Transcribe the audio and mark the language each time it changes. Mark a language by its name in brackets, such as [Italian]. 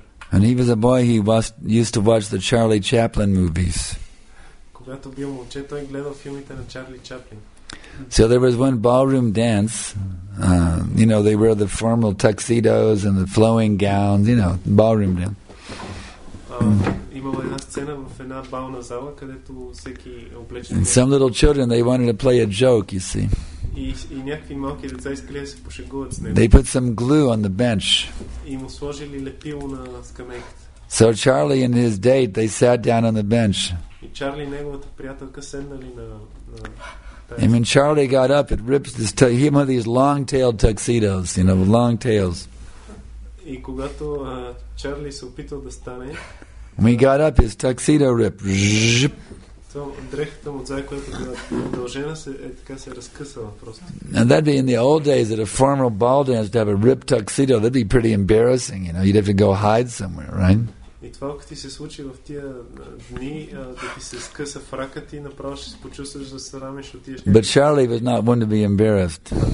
[English] And he was a boy, he used to watch the Charlie Chaplin movies. [Bulgarian] Когато бил момче, той гледал филмите на Чарли Чаплин. [English] So there was one ballroom dance. They wear the formal tuxedos and the flowing gowns, you know, ballroom dance. [Bulgarian] Имало една сцена в една бална зала, където всеки облечен. [English] And some little children, they wanted to play a joke, you see. [Bulgarian] И някакви малки деца искали да се пошегуват с него. [English] They put some glue on the bench. [Bulgarian] И му сложили лепило на скамейката. [English] So Charlie and his date, they sat down on the bench. [Bulgarian] И Чарли и неговата приятелка седнали на. [English] And when Charlie got up, it rips this tail. He had one of these long-tailed tuxedos, you know, with long tails. [Bulgarian] И когато Charlie се опитал да стане, [English] when he got up, his tuxedo ripped. [Bulgarian] То дрехата му отзад, която била удължена, е така се разкъсала просто. [English] And that'd be in the old days at a formal ball dance to have a ripped tuxedo. That'd be pretty embarrassing, you know. You'd have to go hide somewhere, right? [Bulgarian] И това, ако ти се случи в тия дни, да ти се скъса фрака, ти направо ще се почувстваш за срам и ще отидеш. [English] But Charlie was not one to be embarrassed.